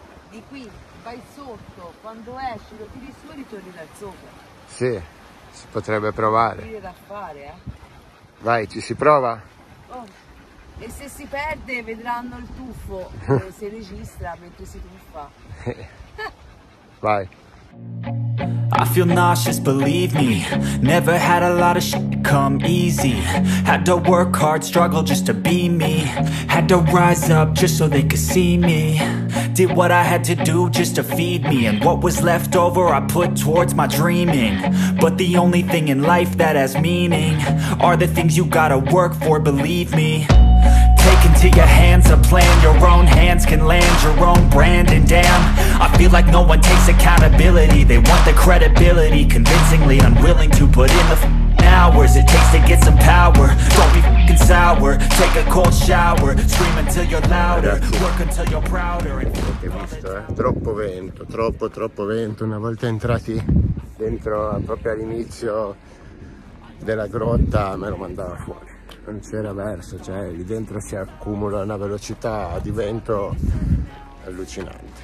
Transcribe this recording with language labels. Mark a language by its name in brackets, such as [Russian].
[Italian] Di qui vai sotto, quando esci lo tiri su e ritorni da sopra. Sì, si potrebbe provare. Dire da fare, Vai, ci si prova? oh. E se si perde vedranno il tuffo, si registra mentre si tuffa. Vai. [English] I feel nauseous, believe me. Never had a lot of shit come easy. Had to work hard, struggle just to be me. Had to rise up just so they could see me. Did what I had to do just to feed me. And what was left over, I put towards my dreaming. But the only thing in life that has meaning are the things you gotta work for, believe me. Take into your hands a plan. Your own hands can land your own brand. And damn, I feel like no one takes accountability. They want the credibility, convincingly unwilling to put in the hours it takes to get some power. Don't be sour. Take a cold shower. Scream until you're louder. [Italian] Ragazzi, [English] Work until you're prouder. And [Italian] avete visto, eh? Troppo vento, troppo, troppo vento. Una volta entrati dentro, proprio all'inizio della grotta, me lo mandava fuori. Non c'era verso, cioè lì dentro si accumula una velocità di vento allucinante.